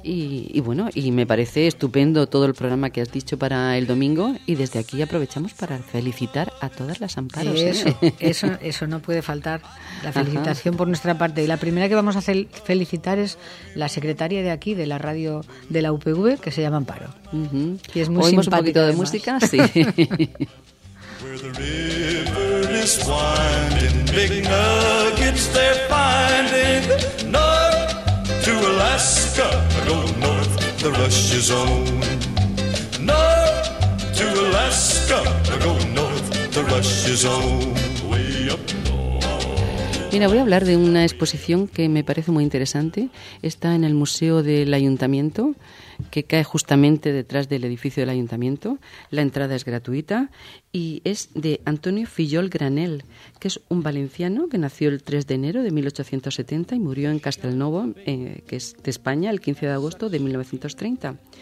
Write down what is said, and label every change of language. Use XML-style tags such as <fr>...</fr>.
<es>Y bueno, y me parece estupendo todo el programa que has dicho para el domingo, y desde aquí aprovechamos para felicitar a todas las Amparos. Eso no puede faltar, la felicitación. Ajá. Por nuestra parte. Y la primera que vamos a felicitar es la secretaria de aquí, de la radio de la UPV, que se llama Amparo. Uh-huh. Y es muy simpática. ¿Oímos un poquito de música? Sí.</es> <en>Where the river is winding, big nuggets they're finding. North to Alaska, I go north, the rush is on. North to Alaska, I go north, the rush is on. Way up.</en> <es>Mira, voy a hablar de una exposición que me parece muy interesante. Está en el Museo del Ayuntamiento, que cae justamente detrás del edificio del Ayuntamiento. La entrada es gratuita y es de Antonio Fillol Granel, que es un valenciano que nació el 3 de enero de 1870 y murió en Castelnuovo, que es de España, el 15 de agosto de 1930.</es>